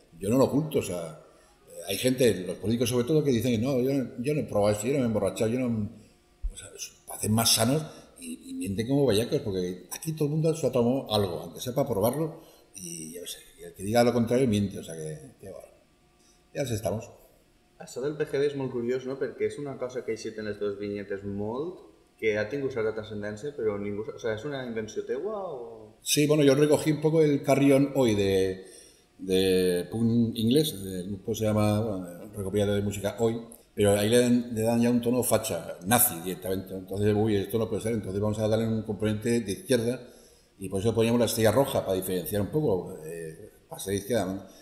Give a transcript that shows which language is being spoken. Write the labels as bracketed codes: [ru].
[es] Yo no lo oculto, o sea, hay gente, los políticos sobre todo, que dicen, no, yo no he probado esto, yo no me he emborrachado, o sea, hacen más sanos y mienten como bellacos, porque aquí todo el mundo se ha tomado algo, aunque sea para probarlo, y ya sé, y el que diga lo contrario miente, o sea, que bueno, ya así estamos. [ca] Això del PGB és molt curiós, no?, perquè és una cosa que he citat en les dues vinyetes molt, que ha tingut certa transcendència, però ningú... [es] O sea, [ca] ¿és una invenció teua o...? [es] Sí, bueno, yo recogí un poco el Carrión Hoy de punk inglés, el grupo se llama, bueno, recopilado de música Hoy, pero ahí le dan ya un tono facha, nazi directamente, entonces, uy, esto no puede ser, entonces vamos a darle un componente de izquierda, y por eso poníamos la estrella roja, para diferenciar un poco, para ser izquierda, ¿no?